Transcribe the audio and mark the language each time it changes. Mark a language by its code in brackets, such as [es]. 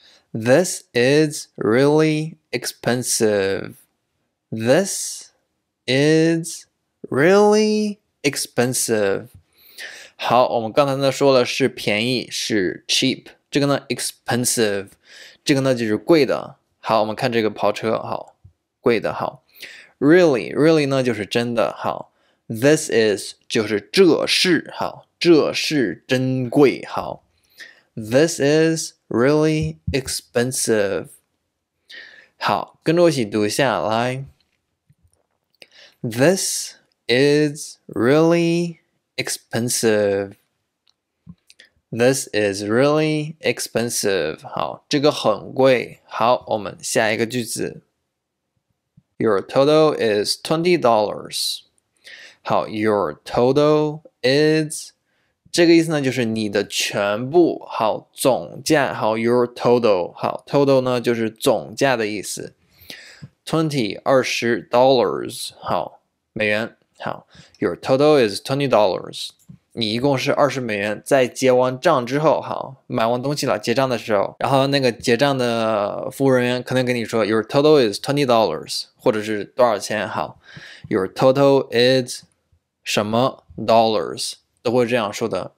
[en] This is really expensive. This is really expensive. [zh] 好，我们刚才呢说了是便宜，是 cheap。这个呢 expensive， 这个呢就是贵的。好，我们看这个跑车，好，贵的，好。 [en] Really, really [zh] 呢就是真的，好。 [en] This is [zh] 就是这是，好，这是真贵，好。 [en] This is really expensive. [zh] 好，跟着我一起读一下，来。 [en] This is really expensive. This is really expensive. [zh] 好，这个很贵。好，我们下一个句子。 [en] Your total is $20. [zh] 好 ， [en] your total is [zh] 这个意思呢，就是你的全部。好，总价。好 ， [en] your total [zh] 好 ，total 呢就是总价的意思。 20 $20 好美元好 ， [en] your total is [zh] $20。你一共是20美元，在结完账之后，好，买完东西了，结账的时候，然后那个结账的服务人员可能跟你说 ， [en] Your total is $20， [zh] 或者是多少钱？好 ， [en] Your total is [zh] 什么 [en] dollars [zh] 都会这样说的。